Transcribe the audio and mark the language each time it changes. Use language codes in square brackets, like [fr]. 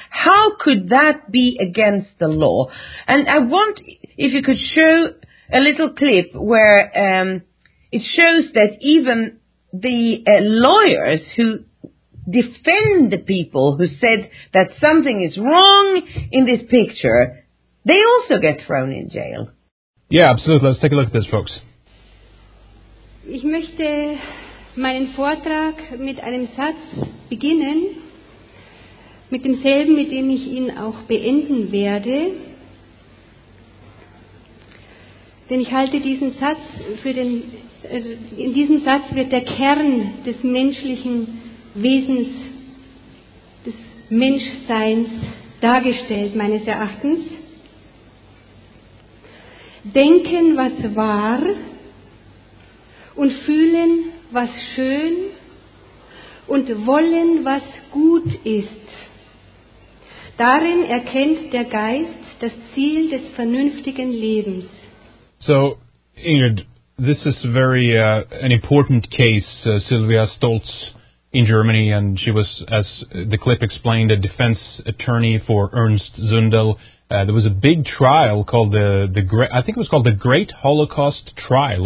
[en] How could that be against the law? And I want, if you could show a little clip where it shows that even the lawyers who defend the people who said that something is wrong in this picture, they also get thrown in jail. Yeah, absolutely. Let's take a look at this, folks. [de] Ich möchte meinen Vortrag mit einem Satz beginnen, mit demselben, mit dem ich ihn auch beenden werde. Denn ich halte diesen Satz für den, in diesem Satz wird der Kern des menschlichen Wesens, des Menschseins dargestellt, meines Erachtens. Denken, was wahr, und fühlen, was schön, und wollen, was gut ist. Darin erkennt der Geist das Ziel des vernünftigen Lebens. [en] So, Ingrid, this is very an important case, Sylvia Stoltz in Germany, and she was, as the clip explained, a defense attorney for Ernst Zundel. There was a big trial called the Great Holocaust Trial.